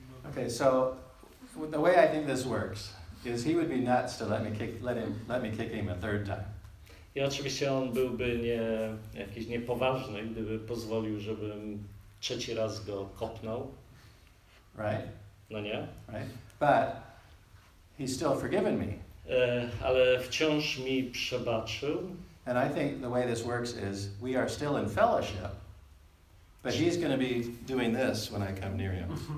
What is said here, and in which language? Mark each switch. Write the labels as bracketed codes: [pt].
[en] Okay, so the way I think this works is he would be nuts to let me kick him a third time. [pl] I oczywiście on byłby jakiś niepoważny, gdyby pozwolił, żebym trzeci raz go kopnął. [en] Right? [pl] No nie. [en] Right? But he's still forgiven me. [pl] Ale wciąż mi przebaczył. [en] And I think the way this works is we are still in fellowship. But he's going to be doing this when I come near him.